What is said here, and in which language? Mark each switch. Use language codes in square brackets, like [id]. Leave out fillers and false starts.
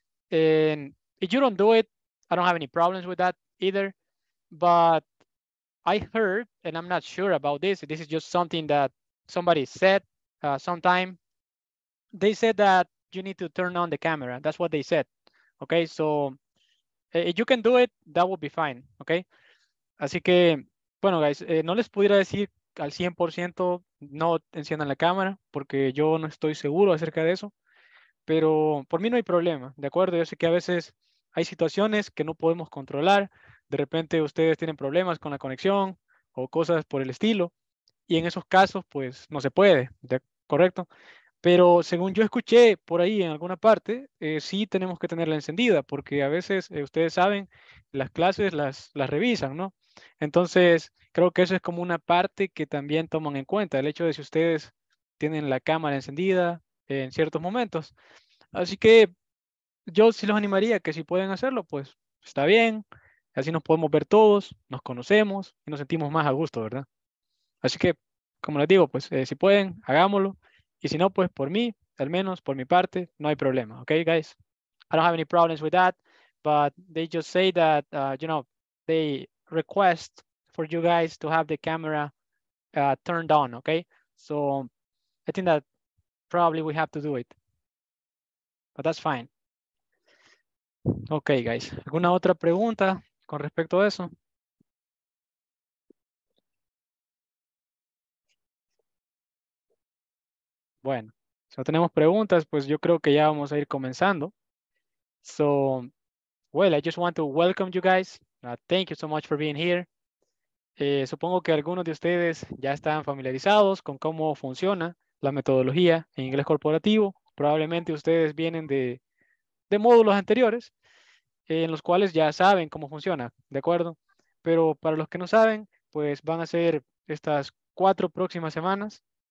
[en] And if you don't do it, I don't have any problems with that either. But I heard, and I'm not sure about this, this is just something that somebody said sometime. They said that you need to turn on the camera. That's what they said. Okay, so if you can do it, that would be fine. [es] Okay, así que, bueno, guys, no les pudiera decir al 100% no enciendan la cámara, porque yo no estoy seguro acerca de eso. Pero por mí no hay problema, ¿de acuerdo? Yo sé que a veces hay situaciones que no podemos controlar. De repente ustedes tienen problemas con la conexión o cosas por el estilo. Y en esos casos, pues, no se puede, ¿correcto? Pero según yo escuché por ahí en alguna parte, sí tenemos que tenerla encendida porque a veces, ustedes saben, las clases las revisan, ¿no? Entonces, creo que eso es como una parte que también toman en cuenta, el hecho de si ustedes tienen la cámara encendida en ciertos momentos. Así que yo sí los animaría que si pueden hacerlo, pues está bien. Así nos podemos ver todos, nos conocemos y nos sentimos más a gusto, ¿verdad? Así que, como les digo, pues si pueden, hagámoslo. Y si no, pues por mí, al menos por mi parte, no hay problema. [en] Okay, guys? I don't have any problems with that. But they just say that, you know, they request for you guys to have the camera turned on. Okay? So I think that probably we have to do it. But that's fine. Okay, guys. [es] ¿Alguna otra pregunta con respecto a eso? Bueno, si no tenemos preguntas, pues yo creo que ya vamos a ir comenzando. [en] So, well, I just want to welcome you guys. Thank you so much for being here. [es] Supongo que algunos de ustedes ya están familiarizados con cómo funciona la metodología en inglés corporativo. Probablemente ustedes vienen de módulos anteriores en los cuales ya saben cómo funciona, ¿de acuerdo? Pero para los que no saben, pues van a ser estas 4 próximas semanas.